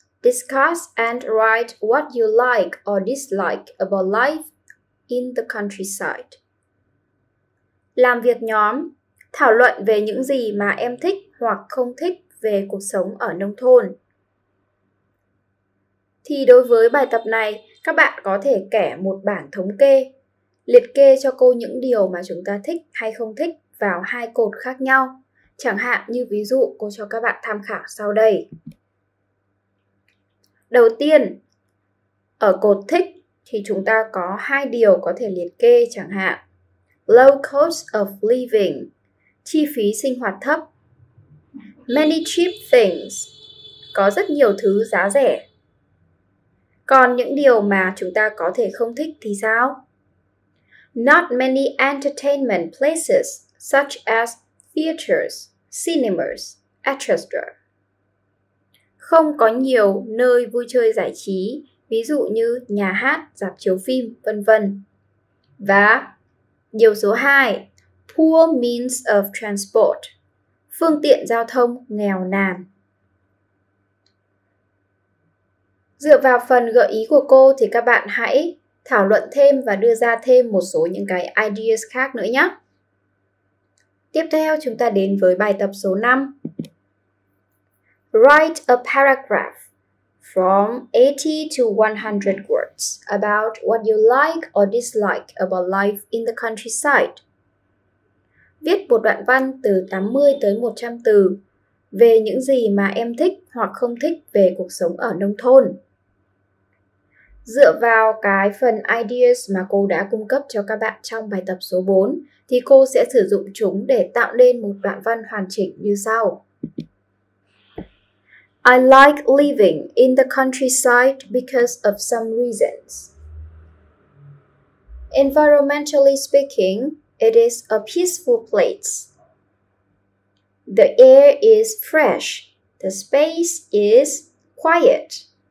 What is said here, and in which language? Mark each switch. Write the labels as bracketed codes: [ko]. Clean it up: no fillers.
[en] Discuss and write what you like or dislike about life in the countryside. [vi] Làm việc nhóm. Thảo luận về những gì mà em thích hoặc không thích về cuộc sống ở nông thôn. Thì đối với bài tập này, các bạn có thể kẻ một bảng thống kê, liệt kê cho cô những điều mà chúng ta thích hay không thích vào hai cột khác nhau. Chẳng hạn như ví dụ cô cho các bạn tham khảo sau đây. Đầu tiên, ở cột thích thì chúng ta có hai điều có thể liệt kê, chẳng hạn [en] low cost of living, [vi] chi phí sinh hoạt thấp. [en] Many cheap things, [vi] có rất nhiều thứ giá rẻ. Còn những điều mà chúng ta có thể không thích thì sao? [en] Not many entertainment places such as theaters, cinemas, etc. [vi] Không có nhiều nơi vui chơi giải trí, ví dụ như nhà hát, rạp chiếu phim, vân vân. Và điều số 2, [en] poor means of transport, [vi] phương tiện giao thông nghèo nàn. Dựa vào phần gợi ý của cô thì các bạn hãy thảo luận thêm và đưa ra thêm một số những cái ideas khác nữa nhé. Tiếp theo chúng ta đến với bài tập số 5. [en] Write a paragraph from 80 to 100 words about what you like or dislike about life in the countryside. [vi] Viết một đoạn văn từ 80 tới 100 từ về những gì mà em thích hoặc không thích về cuộc sống ở nông thôn. Dựa vào cái phần ideas mà cô đã cung cấp cho các bạn trong bài tập số 4, thì cô sẽ sử dụng chúng để tạo nên một đoạn văn hoàn chỉnh như sau. [en] I like living in the countryside because of some reasons. Environmentally speaking, it is a peaceful place. The air is fresh. The space is quiet.